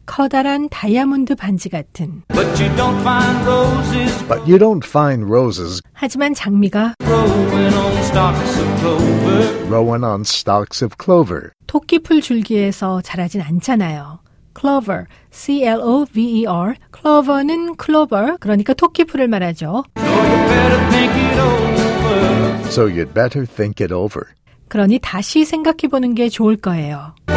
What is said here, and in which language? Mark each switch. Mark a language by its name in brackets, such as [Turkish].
[Korean] 커다란 다이아몬드 반지 같은. [English] But you don't find roses. But you don't find roses. [Korean] 하지만 장미가 [English] growing on stalks of clover. Growing on stalks of clover. [Korean] 토끼풀 줄기에서 자라진 않잖아요. Clover, C-L-O-V-E-R. Clover는 clover, 그러니까 토끼풀을 말하죠. [English] So you'd better think it over. [Korean] 그러니 다시 생각해 보는 게 좋을 거예요.